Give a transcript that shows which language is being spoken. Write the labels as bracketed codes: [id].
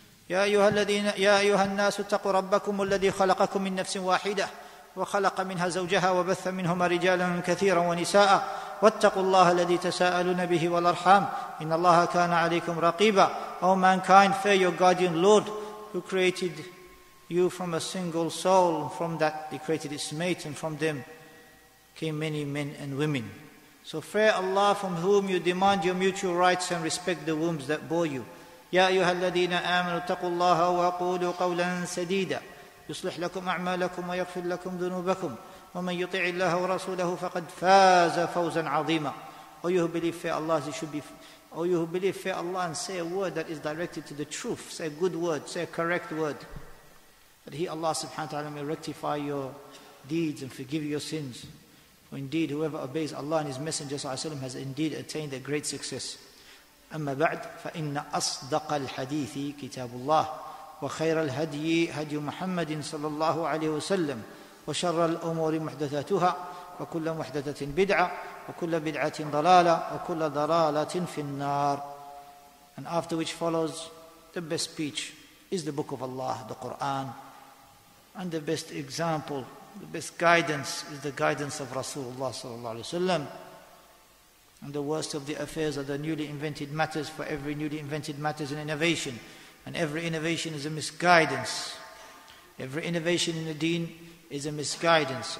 [ar] يَا أَيُّهَا الَّذِينَ يَا أَيُّهَا النَّاسُ اتَّقُوا رَبَّكُمُ الَّذِي خَلَقَكُم مِّن نَّفْسٍ وَاحِدَةٍ وَخَلَقَ مِنْهَا زَوْجَهَا وَبَثَّ مِنْهُمَا رِجَالًا كَثِيرًا وَنِسَاءً ۚ وَاتَّقُوا اللَّهَ الَّذِي تَسَاءَلُونَ بِهِ وَالْأَرْحَامَ ۚ إِنَّ اللَّهَ كَانَ عَلَيْكُمْ رَقِيبًا [en] O mankind, fear your guardian Lord who created you from a single soul. From that he created its mate, and from them came many men and women. So fear Allah from whom you demand your mutual rights and respect the wombs that bore you. [ar] يا أيها الذين آمنوا اتقوا الله وقولوا قولا سديدا يصلح لكم أعمالكم ويغفر لكم ذنوبكم ومن يطع الله ورسوله فقد فاز فوزا عظيما [en] Oh, you who believe, fear Allah, you should be, oh, you who believe, fear Allah and say a word that is directed to the truth. Say a good word, say a correct word. That He, Allah subhanahu wa ta'ala, may rectify your deeds and forgive your sins. For indeed, whoever obeys Allah and His Messenger sallallahu alayhi wa sallam has indeed attained a great success. [ar] أما بعد فإن أصدق الحديث كتاب الله وخير الهدي هدي محمد صلى الله عليه وسلم وشر الأمور محدثاتها وكل محدثة بدعة وكل بدعة ضلالة وكل ضلالة في النار [en] And after which follows, the best speech is the book of Allah, the Quran. And the best example, the best guidance is the guidance of Rasulullah [ar] صلى الله عليه وسلم. [en] And the worst of the affairs are the newly invented matters, for every newly invented matter is an innovation. And every innovation is a misguidance. Every innovation in the deen is a misguidance.